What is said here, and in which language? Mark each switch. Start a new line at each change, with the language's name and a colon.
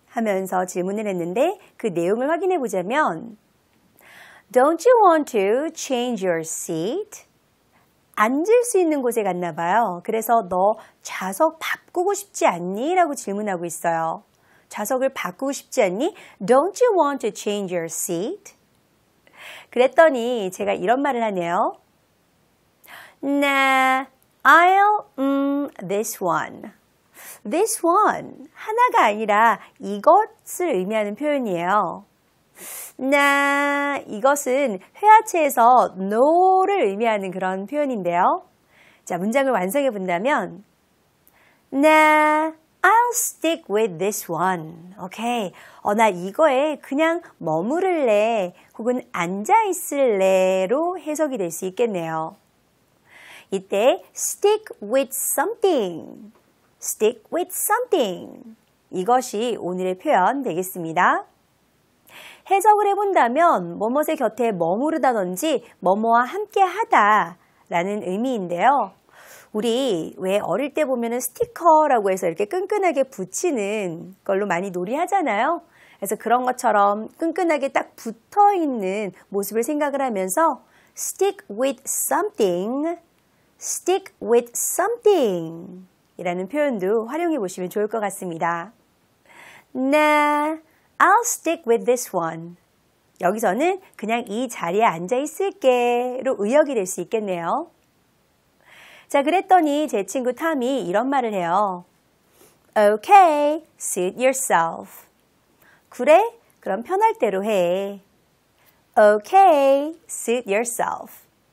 Korean: 하면서 질문을 했는데 그 내용을 확인해 보자면
English: Don't you want to change your seat?
Korean: 앉을 수 있는 곳에 갔나 봐요. 그래서 너 좌석 바꾸고 싶지 않니? 라고 질문하고 있어요. 좌석을 바꾸고 싶지 않니?
English: Don't you want to change your seat?
Korean: 그랬더니 제가 이런 말을 하네요.
English: Nah, I'll this one. This one,
Korean: 하나가 아니라 이것을 의미하는 표현이에요. Nah, 이것은 회화체에서 no를 의미하는 그런 표현인데요. 자, 문장을 완성해 본다면
English: Nah, I'll stick with this one.
Korean: Okay, 나 이거에 그냥 머무를래 혹은 앉아있을래로 해석이 될 수 있겠네요. 이때
English: stick with something. Stick with something.
Korean: 이것이 오늘의 표현 되겠습니다. 해석을 해본다면 뭐뭐의 곁에 머무르다든지 뭐뭐와 함께 하다라는 의미인데요. 우리 왜 어릴 때 보면은 스티커라고 해서 이렇게 끈끈하게 붙이는 걸로 많이 놀이하잖아요. 그래서 그런 것처럼 끈끈하게 딱 붙어있는 모습을 생각을 하면서
English: Stick with something. Stick with something.
Korean: 이라는 표현도 활용해 보시면 좋을 것 같습니다.
English: Nah, I'll stick with this one.
Korean: 여기서는 그냥 이 자리에 앉아 있을게 로 의역이 될 수 있겠네요. 자, 그랬더니 제 친구 탐이 이런 말을 해요.
English: Okay, suit yourself.
Korean: 그래? 그럼 편할 대로 해.
English: Okay, suit yourself.